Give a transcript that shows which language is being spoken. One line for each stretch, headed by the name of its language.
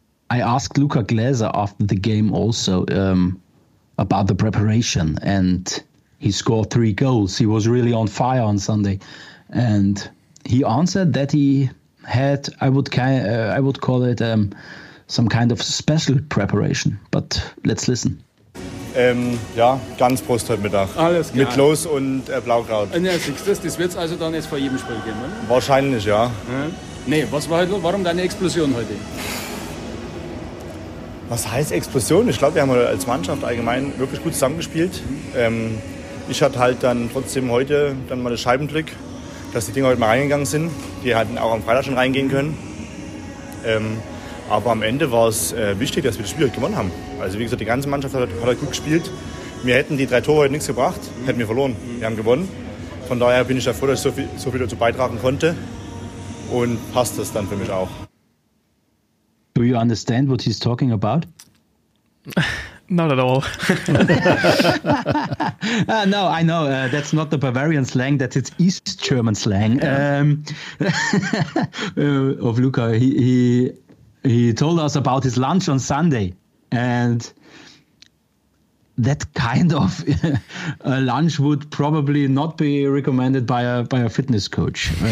English: I asked Luca Gläser after the game also about the preparation, and he scored 3 goals. He was really on fire on Sunday, and he answered that he had I would call it some kind of special preparation. But let's listen.
German: Ja, ganz Brust heute Mittag. Alles klar. Mit Los und Blaukraut. Ja, das wird es also dann jetzt vor jedem Spiel geben, oder? Wahrscheinlich, ja. Nee, was war heute los? Warum deine Explosion heute? Was heißt Explosion? Ich glaube, wir haben als Mannschaft allgemein wirklich gut zusammengespielt. Ich hatte halt dann trotzdem heute dann mal das Scheibenglück, dass die Dinger heute mal reingegangen sind. Die hätten auch am Freitag schon reingehen können. Aber am Ende war es wichtig, dass wir das Spiel heute gewonnen haben. Also wie gesagt, die ganze Mannschaft hat gut gespielt. Wir hätten die 3 Tore heute nichts gebracht, hätten wir verloren. Wir haben gewonnen. Von daher bin ich froh, dass ich so viel dazu beitragen konnte. Und passt das dann für mich auch.
English: Do you understand what he's talking about? Not at all. No, I know. That's not the Bavarian slang. That's its East German slang. of Luca, he told us about his lunch on Sunday, and that kind of a lunch would probably not be recommended by a fitness coach.